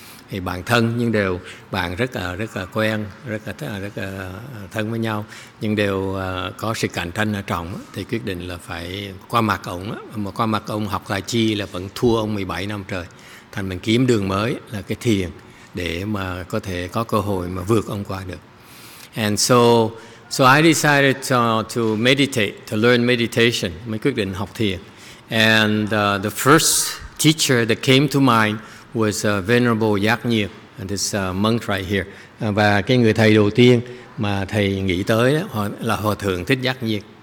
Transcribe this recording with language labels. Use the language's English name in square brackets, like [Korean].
[Vietnamese] Thì bạn thân nhưng đều bạn rất là quen, rất là thân với nhau nhưng đều có sự cạnh tranh ở trọng, thì quyết định là phải qua mặt ông. Mà qua mặt ông học là chi là vẫn thua ông 17 năm trời. Thành mình kiếm đường mới là cái thiền để mà có thể có cơ hội mà vượt ông qua được. [English] And so I decided to meditate, to learn meditation. [Vietnamese] Mới quyết định học thiền. [English] And the first teacher that came to mind was Venerable Giác Nhiệm, this monk right here. [Vietnamese] Và cái người thầy đầu tiên mà thầy nghĩ tới đó, là Hòa Thượng Thích Giác Nhiệm.